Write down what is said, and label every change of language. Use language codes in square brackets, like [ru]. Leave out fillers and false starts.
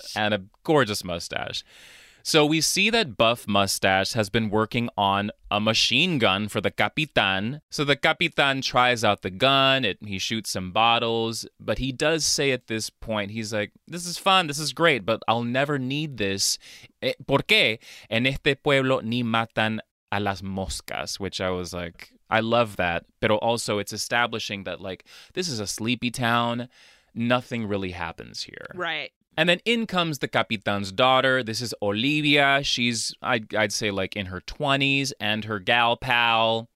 [en] And a gorgeous mustache. So we see that Buff Mustache has been working on a machine gun for the Capitan. So the Capitan tries out the gun. He shoots some bottles. But he does say at this point, he's like, this is fun. This is great. But I'll never need this. [es] ¿Por qué? En este pueblo ni matan a las moscas. [en] Which I was like, I love that. But also it's establishing that like this is a sleepy town. Nothing really happens here. Right. And then in comes the Capitan's daughter. This is Olivia. She's, I'd say, like in her 20s and her gal pal.